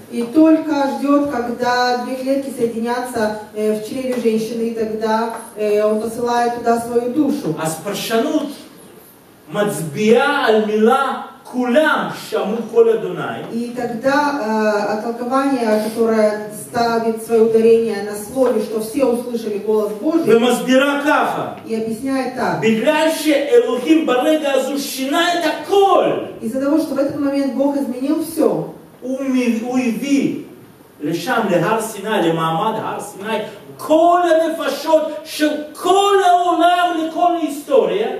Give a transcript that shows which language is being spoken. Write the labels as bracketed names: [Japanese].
[Russian] И только ждет, когда две клетки соединятся в чреве женщины, и тогда он посылает туда свою душу. [Hebrew] אז פרשנות מצביעה על מילה כולם שמעו קול אדוני. [Russian] И тогда толкование, которое ставит свое ударение на слове, что все услышали голос Божий. [Hebrew] ומסבירה ככה. [Russian] И объясняет так. [Hebrew] בגלל שאלוהים ברגע הזו שינה את הכל. [Russian] Из-за того, что в этот момент Бог изменил все. [Hebrew] הוא הביא לשם, להר סיני, למעמד הר סיני, כל הנפשות של כל העולם לכל ההיסטוריה.